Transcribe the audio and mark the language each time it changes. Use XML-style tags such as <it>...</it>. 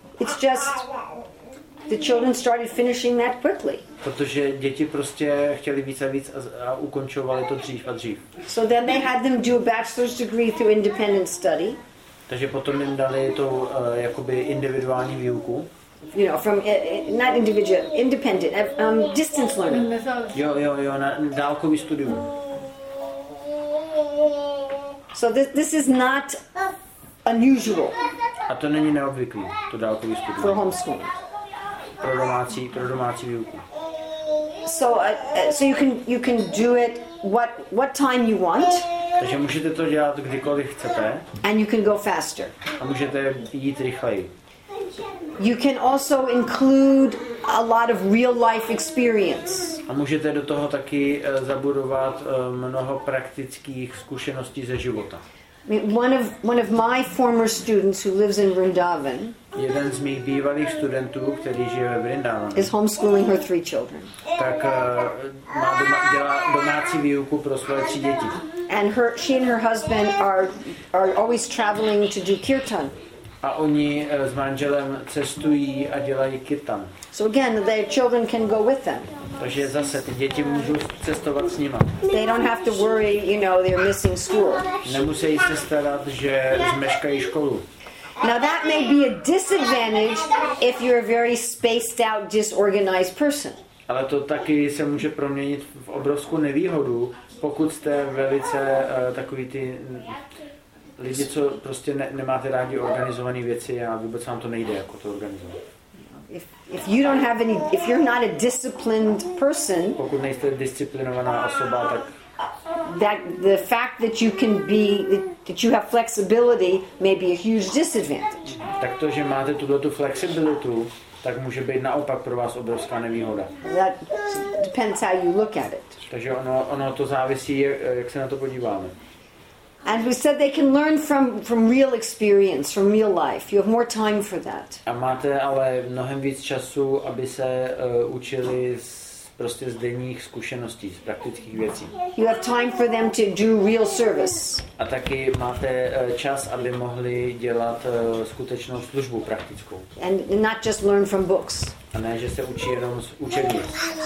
<en>It's just the children started finishing that quickly.</en> <cs>Protože děti prostě chtěli víc a víc a ukončovali to dřív a dřív.</cs> <en>So then they had them do a bachelor's degree through independent study.</en> <cs>Takže potom jim dali to jakoby individuální výuku.</cs> <en>You know, from not individual, independent, distance learning.</en> <cs>Jo, na dálkový studium.</cs> <en>So this is not unusual.</en> <cs>A to není neobvyklý, to dálkový studium.</cs> <en>For homeschooling.</en> <cs>Pro domácí výuku.</cs> <en>So you can do it what time you want.</en> <cs>Takže můžete to dělat kdykoliv chcete.</cs> <en>And you can go faster.</en> <cs>A můžete jít rychleji.</cs> <en>You can also include a lot of real life experience.</en> <cs>A můžete do toho taky zabudovat mnoho praktických zkušeností ze života.</cs> <en>One of my former students who lives in Vrindavan.</en> <cs>Jeden z mých bývalých studentů, který žije ve Vrindavanu.</cs> <en>Is homeschooling her three children.</en> <cs>Tak má dělá domácí výuku pro své tři děti.</cs> <en>And she and her husband are always traveling to do kirtan.</en> <cs>A oni s manželem cestují a dělají kirtan.</cs> <en>So again, their children can go with them.</en> <cs>Takže zase ty děti můžou cestovat s nima.</cs> <en>They don't have to worry, you know, they're missing school.</en> <cs>Nemusí se starat, že zmeškají školu.</cs> <en>Now that may be a disadvantage if you're a very spaced out, disorganized person.</en> <cs>Ale to taky se může proměnit v obrovskou nevýhodu, pokud jste velice takový ty lidi, co prostě nemáte rádi organizované věci a vůbec vám to nejde jako to organizovat.</cs> <en>If you don't have any, if you're not a disciplined person,</en> <cs>pokud nejste disciplinovaná osoba, tak</cs> <en>that the fact that you can be, that you have flexibility may be a huge disadvantage.</en> <cs>Tak to, že máte tuto flexibilitu, tak může být naopak pro vás obrovská nevýhoda.</cs> <en>That depends how you look at it.</en> <cs>Takže ono to závisí, jak se na to podíváme.</cs> <en>And we said they can learn from real experience, from real life. You have more time for that.</en> <cs>A máte ale mnohem víc času, aby se učili z denních zkušeností, z praktických věcí.</cs> <en>You have time for them to do real service.</en> <cs>A taky máte čas, aby mohli dělat skutečnou službu praktickou.</cs> <en>And not just learn from books.</en> <cs>A ne, že se učí jenom z učebnic.</cs>